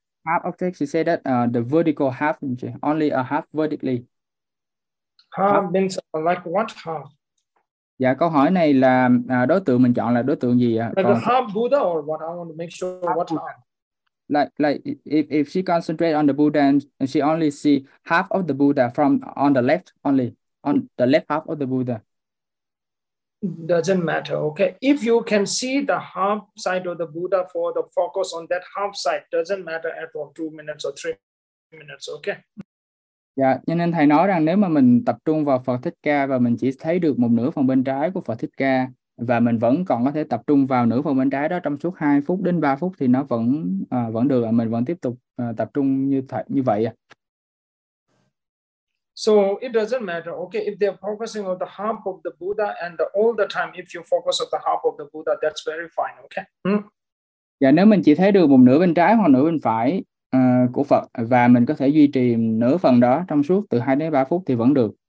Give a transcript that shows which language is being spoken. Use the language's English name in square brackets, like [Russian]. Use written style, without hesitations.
[English] Half object, she said that the vertical half, only a half vertically. Half means like what half? [Vietnamese] Dạ câu hỏi này là đối tượng mình chọn là đối tượng gì ạ? [English] Like a [Vietnamese] Còn [English] half Buddha or what? I want to make sure what Buddha. half. Like if she concentrate on the Buddha and she only see half of the Buddha from on the left only, on the left half of the Buddha. Doesn't matter, okay. If you can see the half side of the Buddha for the focus on that half side, doesn't matter at all, 2 minutes or 3 minutes, okay. [Vietnamese] Dạ, cho nên thầy nói rằng nếu mà mình tập trung vào Phật Thích Ca và mình chỉ thấy được một nửa phần bên trái của Phật Thích Ca và mình vẫn còn có thể tập trung vào nửa phần bên trái đó trong suốt 2 phút đến 3 phút thì nó vẫn vẫn được, và mình vẫn tiếp tục tập trung như như vậy ạ. [English] So it doesn't matter, okay, if they're focusing on the half of the Buddha and all the time, if you focus on the half of the Buddha, that's very fine, okay? [Vietnamese] Dạ, nếu mình chỉ thấy được một nửa bên trái hoặc nửa bên phải của Phật, và mình có thể duy trì nửa phần đó trong suốt từ 2 đến 3 phút thì vẫn được.